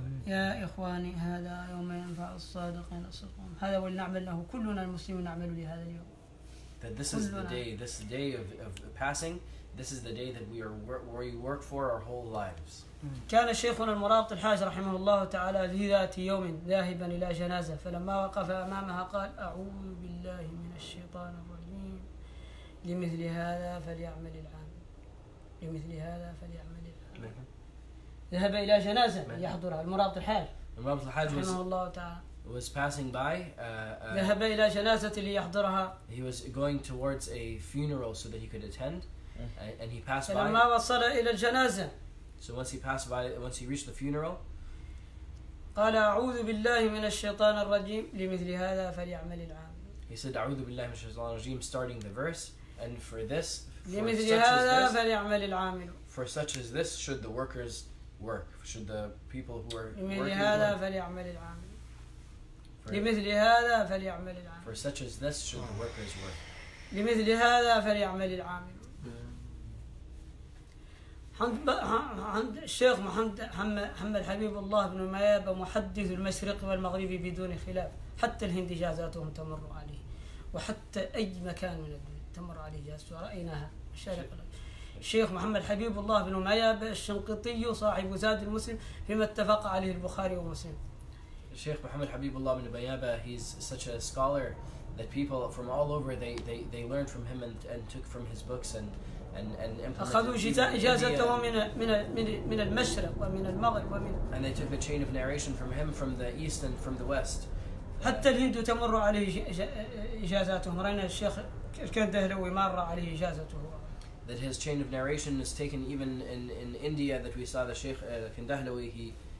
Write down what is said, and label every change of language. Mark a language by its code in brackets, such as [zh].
[ar] يا إخواني هذا يوم ينفع الصادقين الصدقون هذا ولنعمل له كلنا المسلمون نعمل لهذا اليوم. [en] That this is the day, this day of passing, this is the day that we are where we work for our whole lives. [ar] كان شيخنا المرابط الحاج رحمه الله تعالى في ذات يوم ذاهبا إلى جنازة فلما وقف أمامها قال أعوذ بالله من الشيطان الرجيم لمثل هذا فليعمل العامل لمثل هذا فليعمل العامل. ذهب إلى جنازة يحضرها المرابط الحاج. المرابط الحاج رحمه الله تعالى. [en] Was passing by. [ar] ذهب إلى جنازة ليحضرها. [en] He was going towards a funeral so that he could attend, and he passed by. [ar] فلما وصل إلى الجنازة. [en] So once he passed by, once he reached the funeral. [ar] قال أعوذ بالله من الشيطان الرجيم لمثل هذا فليعمل العام. [en] He said [ar] أعوذ بالله من الشيطان الرجيم, [en] starting the verse, and for this. [ar] لمثل هذا فليعمل العامل. [en] For such as this, should the workers work? Should the people who are working? [ar] لمثل هذا فليعمل العام. لمثل هذا فليعمل العامل. [en] For such as this should the workers work. [ar] لمثل هذا فليعمل العامل. حمد الشيخ محمد حمد حبيب الله بن مياب محدث المشرق والمغرب بدون خلاف حتى الهند جازاتهم تمر عليه وحتى أي مكان من الدنيا تمر عليه جازات ورأيناها مشارق الأرض. الشيخ محمد حبيب الله بن مياب الشنقيطي صاحب زاد المسلم فيما اتفق عليه البخاري ومسلم. [en] Sheikh Muhammad Habibullah ibn Bayaba, he's such a scholar that people from all over they learned from him and took from his books and implemented. And they took a chain of narration from him from the east and from the west. [ar] حتى الهند تمر عليه إجازاتهم رأينا الشيخ الكندهلوي مر عليه إجازته. [en] That his chain of narration is taken even in India that we saw the Sheikh Kandahlawi,